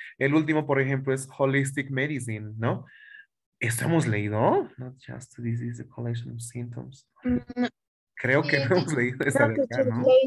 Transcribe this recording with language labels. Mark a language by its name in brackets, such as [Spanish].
[Spanish] El último, por ejemplo, es holistic medicine, ¿no? Esto hemos leído. [English] Not just a disease, a collection of symptoms. [Spanish] Creo que no hemos leído esta de acá, ¿no?